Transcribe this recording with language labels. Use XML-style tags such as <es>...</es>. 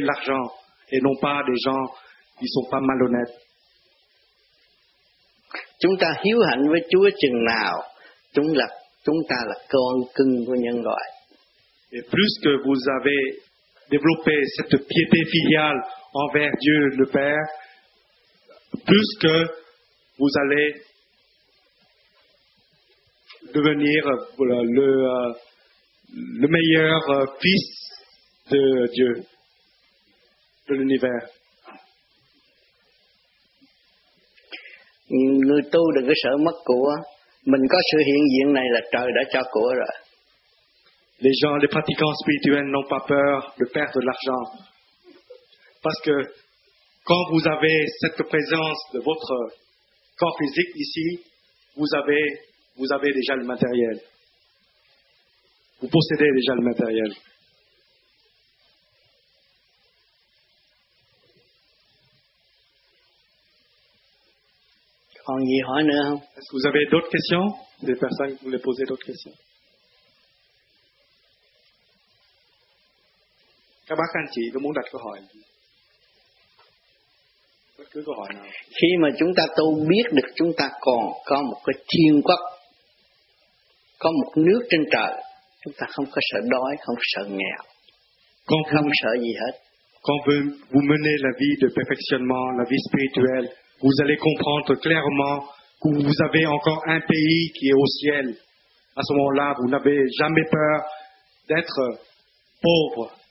<fr>l'argent et non pas des gens qui ne sont pas malhonnêtes.</fr> <vi>Chúng ta hiếu hạnh với Chúa chừng nào, chúng ta là con cưng của nhân loại.</vi> <fr>Et plus que vous avez développé cette piété filiale envers Dieu le Père, plus que vous allez devenir le meilleur fils de Dieu, de l'univers.</fr> <vi>Người tu đừng có sợ mất của, mình có sự hiện diện này là trời đã cho của rồi.</vi> <fr>Les gens, les pratiquants spirituels n'ont pas peur de perdre de l'argent, parce que quand vous avez cette présence de votre corps physique ici, vous avez déjà le matériel. Vous possédez déjà le matériel.</fr> <vi>Còn gì hỏi nữa không?</vi> <fr>Est-ce que vous avez d'autres questions? Des personnes qui voulaient poser d'autres questions?</fr> <vi>Các bác anh chị có muốn đặt câu hỏi? Bất cứ câu hỏi nào. Khi mà chúng ta tu biết được chúng ta còn có một cái thiên quốc, có một nước trên trời, chúng ta không có sợ đói, không sợ nghèo, không sợ gì hết.</vi> <fr>Quand vous menez la vie de perfectionnement, la vie spirituelle, vous allez comprendre clairement que vous avez encore un pays qui est au ciel. À ce moment-là, vous n'avez jamais peur d'être pauvre.</fr>